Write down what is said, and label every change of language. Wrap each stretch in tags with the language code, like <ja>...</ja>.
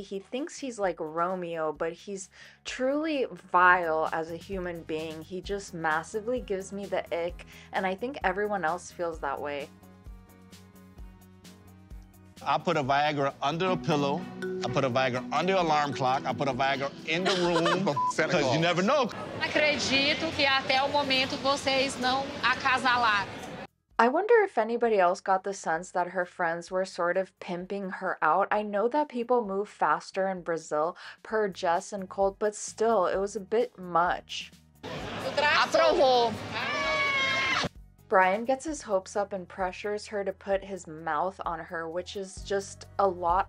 <en>He thinks he's like Romeo, but he's truly vile as a human being. He just massively gives me the ick, and I think everyone else feels that way. I put a Viagra under a pillow. I put a Viagra under the alarm clock. I put a Viagra in the room. Because you never know.</en> <pt>Acredito que até o momento vocês não acasalaram.</pt> <en>I wonder if anybody else got the sense that her friends were sort of pimping her out. I know that people move faster in Brazil, per Jess and Colt, but still, it was a bit much.</en> <pt>Aprovou.</pt> <en>Brian gets his hopes up and pressures her to put his mouth on her, which is just a lot.</en>